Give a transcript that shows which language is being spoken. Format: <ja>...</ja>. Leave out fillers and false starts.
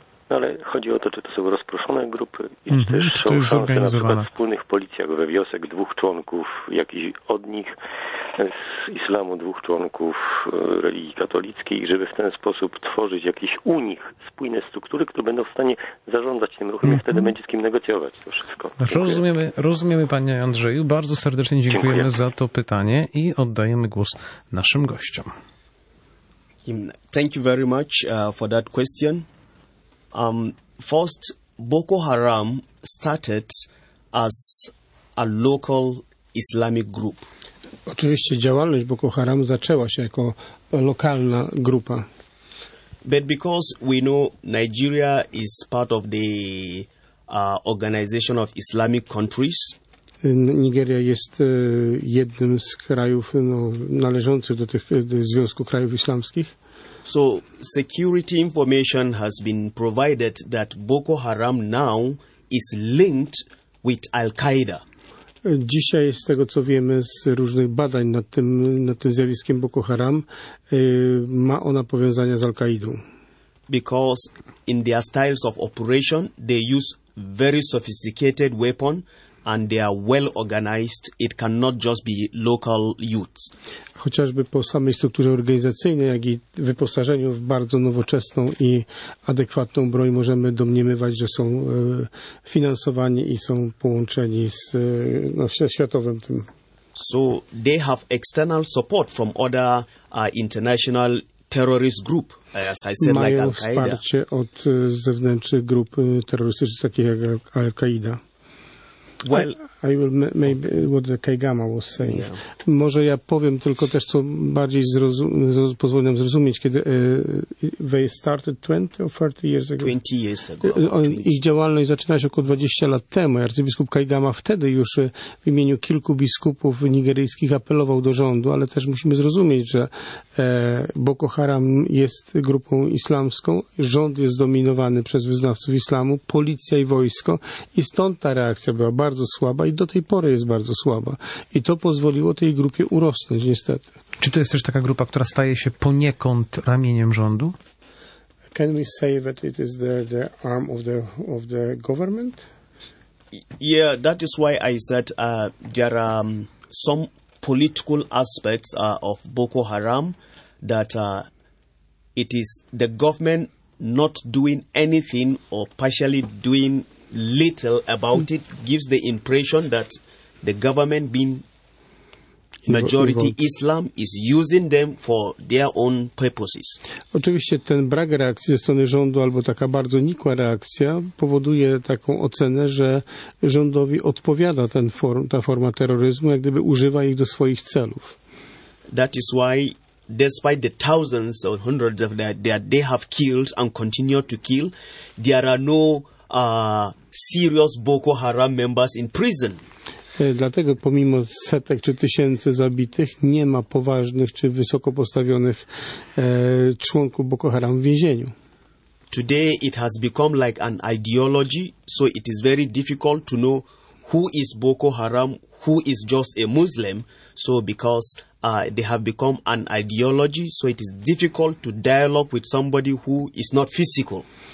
<pl>No ale chodzi o to, czy to są rozproszone grupy, czy też są szanse na przykład w wspólnych policjach we wiosek dwóch członków, jakiś od nich z islamu, dwóch członków religii katolickiej, żeby w ten sposób tworzyć jakieś u nich spójne struktury, które będą w stanie zarządzać tym ruchem, i wtedy będzie z kim negocjować to wszystko. Rozumiemy, panie Andrzeju. Bardzo serdecznie dziękujemy za to pytanie i oddajemy głos naszym gościom.</pl> <en>Thank you very much for that question. First, Boko Haram started as a local Islamic group.</en> <pl>Oczywiście działalność Boko Haram zaczęła się jako lokalna grupa.</pl> <en>But because we know Nigeria is part of the Organization of Islamic Countries.</en> <pl>Nigeria jest jednym z krajów należących do tych Związku Krajów Islamskich.</pl> <en>So security information has been provided that Boko Haram now is linked with Al-Qaeda.</en> <pl>Dzisiaj z tego, co wiemy z różnych badań nad tym zjawiskiem Boko Haram, ma ona powiązania z Al-Qaidą.</pl> <en>Because in their styles of operation they use very sophisticated weapon and they are well organized. It cannot just be local youths.</en> <pl>Chociażby po samej strukturze organizacyjnej, jak i wyposażeniu w bardzo nowoczesną i adekwatną broń, możemy domniemywać, że są finansowani i są połączeni z światowym tym.</pl> <en>So they have external support from other international terrorist group, as I said,</en> <pl>mają</pl> <en>like Al-Qaeda.</en> <pl>Wsparcie od zewnętrznych grup terrorystycznych, takich jak Al-Qaeda.</pl> <en>Well, I will maybe what the Kaigama was saying. Yeah.</en> <pl>Może ja powiem tylko też, co bardziej pozwoli nam zrozumieć, kiedy</pl> <en>they started 20 or 30 years ago. 20 years ago.</en> <pl>Ich działalność zaczyna się około 20 lat temu. Arcybiskup Kaigama wtedy już w imieniu kilku biskupów nigeryjskich apelował do rządu, ale też musimy zrozumieć, że Boko Haram jest grupą islamską, rząd jest zdominowany przez wyznawców islamu, policja i wojsko, i stąd ta reakcja była bardzo słaba i do tej pory jest bardzo słaba. I to pozwoliło tej grupie urosnąć, niestety. Czy to jest też taka grupa, która staje się poniekąd ramieniem rządu?</pl> <en>Can we say that it is the arm of the government? Yeah, that is why I said there are some political aspects of Boko Haram that it is the government not doing anything or partially doing little about it gives the impression that the government being majority Islam is using them for their own purposes.</en> <pl>Oczywiście ten brak reakcji ze strony rządu albo taka bardzo nikła reakcja powoduje taką ocenę, że rządowi odpowiada ta forma terroryzmu, jak gdyby używa ich do swoich celów.</pl> <en>That is why despite the thousands or hundreds of that they have killed and continue to kill, there are no serious Boko Haram members in prison.</en> <pl>Dlatego pomimo setek czy tysięcy zabitych, nie ma poważnych czy wysoko postawionych członków Boko Haram w więzieniu.</pl> <en>Today it has become like an ideology, so it is very difficult to know who is Boko Haram, who is just a Muslim. So because they have become an ideology, so it is difficult to dialogue with somebody who is not physical.</en>